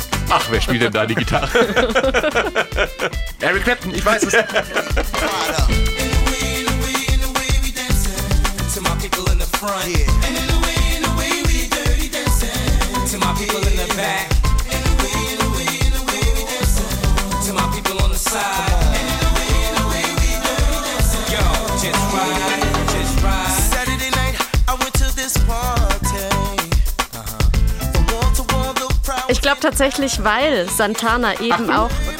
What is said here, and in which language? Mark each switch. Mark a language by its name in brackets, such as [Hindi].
[German] Ach, wer spielt denn da die Gitarre? Eric Clapton, ich weiß es. [English] And in the way we dirty dancing to my people in the back. In the way we dancing to my people on the side. In the way we dirty dancing. Yo, just ride, just ride. Saturday night, I went to this park. [German] Ich glaube tatsächlich, weil Santana eben auch.